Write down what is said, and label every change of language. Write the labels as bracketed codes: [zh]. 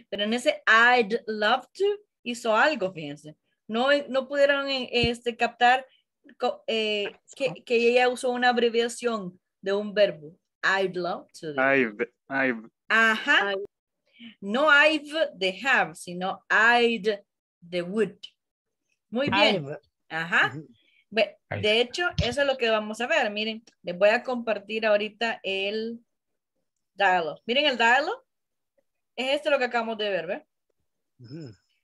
[es] Pero en ese [en] I'd love to [es] hizo algo, fíjense. No pudieron captar que ella usó una abreviación de un verbo. [en] I'd love to. I've. [es] Ajá. No I've de have, sino I'd de would. Muy bien. I've. Ajá. De hecho, eso es lo que vamos a ver. Miren, les voy a compartir ahorita el diálogo. Miren el diálogo. Es esto lo que acabamos de ver, ¿ve?